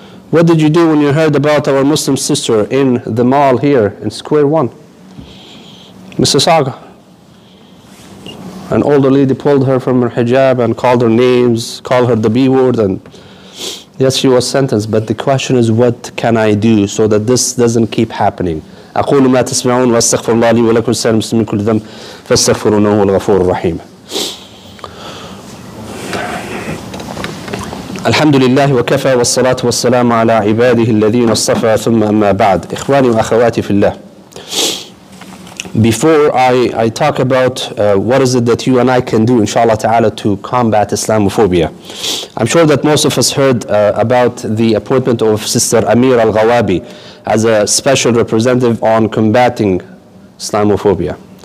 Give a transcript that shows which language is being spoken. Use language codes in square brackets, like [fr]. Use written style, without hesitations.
[en] What did you do when you heard about our Muslim sister in the mall here in Square One? Mississauga. An older lady pulled her from her hijab and called her names, called her the B word, and yes, she was sentenced. But the question is, what can I do so that this doesn't keep happening? [ar] أقول ما تسمعون واستغفر الله لي ولكم سائر المسلمين كل ذنب فاستغفرونه الغفور الرحيم. الحمد لله وكفى والصلاة والسلام على عباده الذين اصطفى ثم أما بعد إخواني وأخواتي في الله. [en] Before I talk about what is it that you and I can do, inshallah ta'ala, to combat Islamophobia, I'm sure that most of us heard about the appointment of Sister Amira Al-Ghawabi as a special representative on combating Islamophobia.